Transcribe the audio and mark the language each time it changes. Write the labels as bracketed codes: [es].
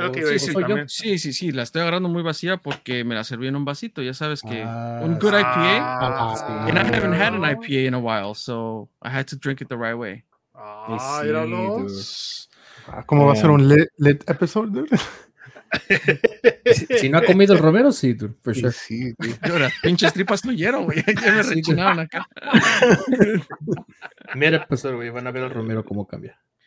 [es] okay, sí, la estoy agarrando muy vacía porque me la serví en un vasito, ya sabes que un [en] good IPA. And I haven't had an IPA in a while, so I had to drink it the right way. [es] ¿Cómo va a ser un [en] lit episode, [es] dude? Si no ha comido el Romero, sí, dude, [en] for sure. [es] Sí, ahora, pinches tripas no hiero, güey. Ya me rechinaron acá. Mira, pues, güey, van a ver al Romero cómo cambia.